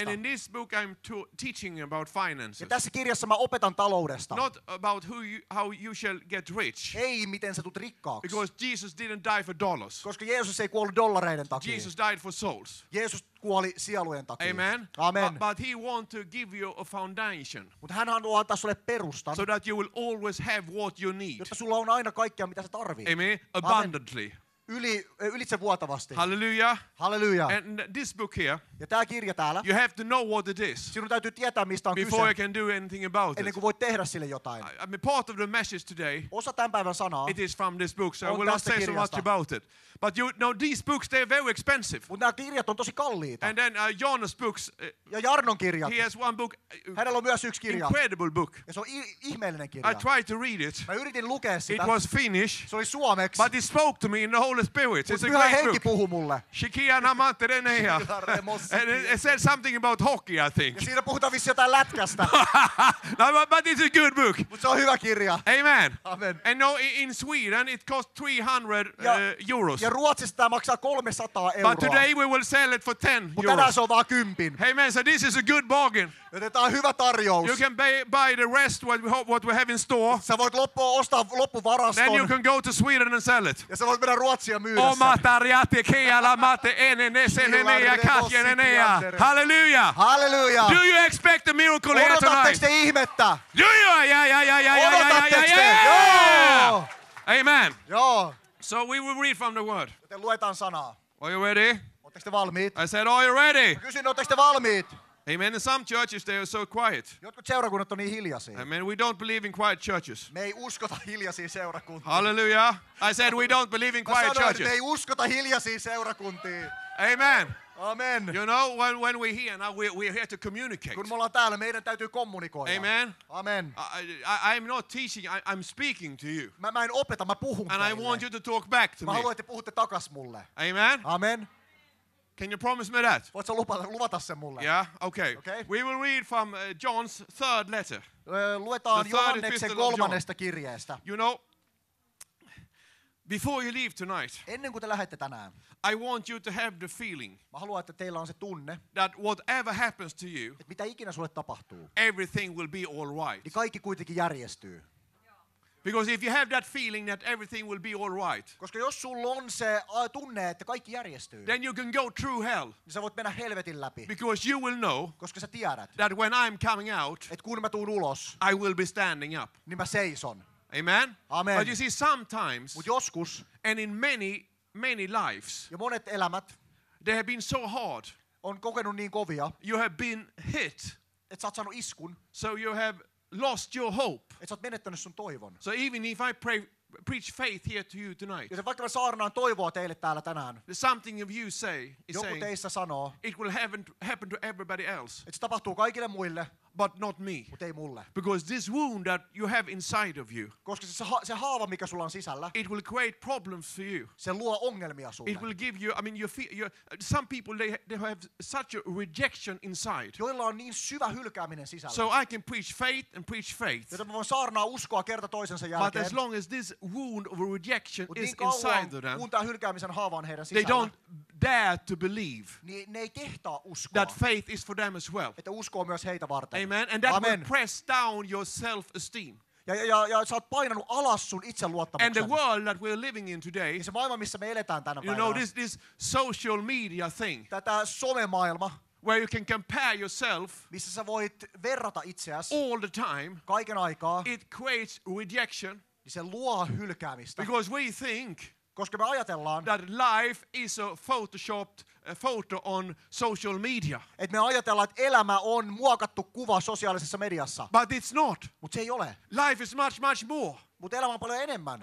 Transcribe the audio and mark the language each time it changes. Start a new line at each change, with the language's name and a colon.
English: And in this book I'm teaching about finances.
Finnish: Ja tässä kirjassa mä opetan taloudesta.
English: Not about how you shall get rich.
Finnish: Ei, miten sä tulet rikkaaksi.
English: Because Jesus didn't die for dollars.
Finnish: Koska Jeesus ei kuollut dollareiden takia.
English: Jesus died for souls.
Finnish: Jeesus kuoli sielujen takia. Amen. Amen.
English: But he want to give you a foundation.
Finnish: Mutta hän haluaa antaa sulle perustan.
English: So that you will always have what you need.
Finnish: Jotta sulla on aina kaikkea, mitä sä tarvitset.
English: Amen. Abundantly.
Finnish: ylitse vuotavasti. Hallelujah. Hallelujah.
English: And this book here.
Finnish: Ja tää kirja täällä.
English: You have to know what it is.
Finnish: Sinun täytyy tietää mistä on kyse.
English: Before you can do anything about it.
Finnish: Ennen kuin voit tehdä sille jotain.
English: I mean, part of the message today.
Finnish: Osa tämän päivän sanaa.
English: It is from this book, so I will not say so much about it. But you know, these books, they are very expensive.
Finnish: Mutta nämä kirjat on tosi kalliita.
English: And then Jonas books.
Finnish: Ja Jarnon kirjat.
English: He has one book.
Finnish: Hänellä on myös yksi kirja.
English: Incredible book.
Finnish: Ja se on ihmeellinen kirja.
English: I tried to read it.
Finnish: Mä yritin lukea sitä.
English: It was Finnish.
Finnish: Se oli suomeksi.
English: But it spoke to me in the Holy Spirit. It's a great
Finnish: henki
English: book.
Finnish: Puhui mulle. Shikia namante reneia.
English: And it said something about hockey, I think.
Finnish: Ja siinä puhutaan vissi jotain lätkästä.
English: No, but it's a good book.
Finnish: Mut se on hyvä kirja. Amen. Amen.
English: And no, in Sweden it cost 300 euros.
Finnish: Ja Ruotsissa tämä maksaa 300 euroa.
English: But today we will sell it for 10 euros.
Finnish: Mutta tänään se on vaan kympin. Amen.
English: So this is a good bargain.
Finnish: Joten tämä on hyvä tarjous.
English: You can buy the rest what we have in store.
Finnish: Sä voit ostaa loppuvaraston.
English: Then you can go to Sweden and sell it.
Finnish: Ja sä voit mennä Ruotsia myydä sen. Oma tarjati kiala mate enene senene ja katjenene ja. Hallelujah. Hallelujah.
English: Do you expect a miracle here tonight?
Finnish: Odotatteko te ihmettä? Joo, joo, joo, joo, joo, joo, joo, joo, joo, joo, joo, joo, joo, amen. Joo.
English: So we will read from the word.
Finnish: Joten luetaan sanaa.
English: Are you ready?
Finnish: Oletteko te valmiit?
English: I said, are you ready?
Finnish: Mä kysyin, oletteko te valmiit? Amen.
English: In some churches they are so quiet.
Finnish: Jotkut seurakunnat on niin hiljaisia. Amen.
English: We don't believe in quiet churches.
Finnish: Me ei uskota hiljaisia seurakuntia. Hallelujah.
English: I said we don't believe in quiet churches.
Finnish: Me ei uskota hiljaisia seurakuntia. Amen. Amen.
English: You know, when we're here now, we're here to communicate.
Finnish: Kun me ollaan täällä, meidän täytyy kommunikoida. Amen. Amen.
English: I'm not teaching, I'm speaking to you.
Finnish: Mä en opeta, mä puhun teille.
English: And I want you to talk back to me.
Finnish: Mä haluan, että puhutte takas mulle. Amen. Amen.
English: Can you promise me that?
Finnish: Voitko luvata sen mulle?
English: Yeah, okay. Okay. We will read from John's third letter.
Finnish: Luetaan Johanneksen kolmannesta kirjeestä.
English: You know, before you leave tonight,
Finnish: ennen kuin te lähdette tänään,
English: I want you to have the feeling.
Finnish: Mä haluan, että teillä on se tunne,
English: that whatever happens to you,
Finnish: että mitä ikinä sulle tapahtuu,
English: everything will be all right.
Finnish: Niin kaikki kuitenkin järjestyy.
English: Because if you have that feeling that everything will be all right,
Finnish: koska jos sulla on se tunne, että kaikki järjestyy,
English: then you can go through hell.
Finnish: Sä voit mennä helvetin läpi.
English: Because you will know,
Finnish: koska sä tiedät,
English: that when I'm coming out,
Finnish: et kun mä tuun ulos,
English: I will be standing up.
Finnish: Niin mä seison. Amen. Amen.
English: But you see, sometimes,
Finnish: mut joskus,
English: and in many, many lives,
Finnish: ja monet elämät,
English: they have been so hard,
Finnish: on kokenut niin kovia,
English: you have been hit,
Finnish: et sä oot saanut iskun,
English: so you have lost your hope.
Finnish: Et sä oot menettänyt sun toivon.
English: So even if I pray, preach faith here to you tonight.
Finnish: Joten vaikka mä saarnaan toivoa teille täällä tänään.
English: Something of you say.
Finnish: Joku teistä sanoo.
English: It will happen to everybody else.
Finnish: Et se tapahtuu kaikille muille.
English: But not me.
Finnish: Mut ei mulle.
English: Because this wound that you have inside of you.
Finnish: Koska se haava mikä sulla on sisällä.
English: It will create problems for you.
Finnish: Se luo ongelmia sulle.
English: It will give you, I mean, some people they have such a rejection inside.
Finnish: Joilla on niin syvä hylkääminen sisällä.
English: So I can preach faith and preach faith.
Finnish: Joten mä voin saarnaa uskoa kerta toisensa jälkeen.
English: But as long as this wound of rejection
Finnish: niin
English: is inside of them.
Finnish: Kun tää hylkäämisen haava on heidän sisällä.
English: They don't dare to believe.
Finnish: Ne ei kehtaa uskoa.
English: That faith is for them as well.
Finnish: Että usko on myös heitä varten.
English: Amen. And that will press down your self-esteem.
Finnish: Ja sä oot painanut alas sun itseluottamuksen.
English: And the world that we're living in today.
Finnish: Ja se maailma, missä me eletään tänä päivänä.
English: You know, this social media thing.
Finnish: Tätä somemaailma.
English: Where you can compare yourself.
Finnish: Missä sä voit verrata itseäsi.
English: All the time.
Finnish: Kaiken aikaa.
English: It creates rejection.
Finnish: Niin se luo hylkäämistä.
English: Because we think.
Finnish: Koska me ajatellaan,
English: that life is a photoshopped photo on social media.
Finnish: Et me ajatellaan, että elämä on muokattu kuva sosiaalisessa mediassa.
English: But it's not.
Finnish: Mut se ei ole.
English: Life is much, much more.
Finnish: Mut elämä on paljon enemmän.